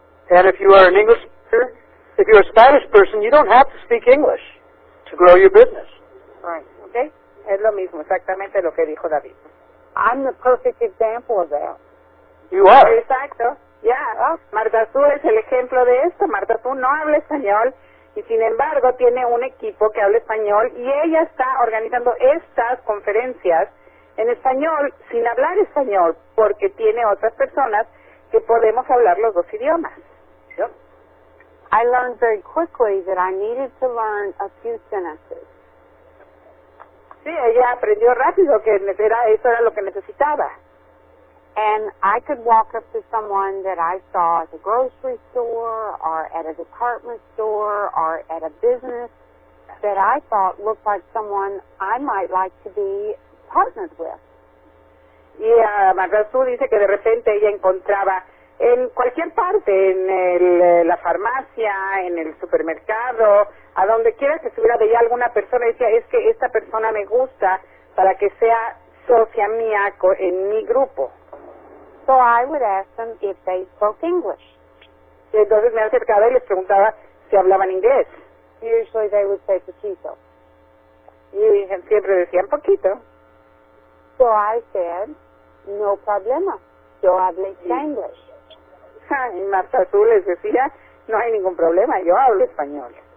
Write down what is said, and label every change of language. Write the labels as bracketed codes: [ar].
[en] And if you are an English speaker, if you're a Spanish person, you don't have to speak English to grow your business. Right. Okay. [es] Es lo mismo, exactamente lo que dijo David. [en] I'm the perfect example of that. You are. [es] Exacto. Yeah. Oh, Marta, tú eres el ejemplo de esto. Marta, tú no hablas español y sin embargo tiene un equipo que habla español y ella está organizando estas conferencias en español sin hablar español porque tiene otras personas que podemos hablar los dos idiomas. [en] Yep. I learned very quickly that I needed to learn a few sentences. [es] Sí, ella aprendió rápido que eso era lo que necesitaba. [en] And I could walk up to someone that I saw at the grocery store or at a department store or at a business that I thought looked like someone I might like to be partnered with. [es] Y Margarita dice que de repente ella encontraba en cualquier parte, en la farmacia, en el supermercado, a donde quiera que estuviera, veía alguna persona y decía, es que esta persona me gusta para que sea socia mía en mi grupo. [en] So I would ask them if they spoke English. [es] Y entonces me acercaba y les preguntaba si hablaban inglés. [en] Usually they would say poquito. [es] Y siempre decían poquito. [en] So I said, [es] no problema. yo hablé Spanglish. Y Marta, tú les decía, no hay ningún problema, yo hablo español.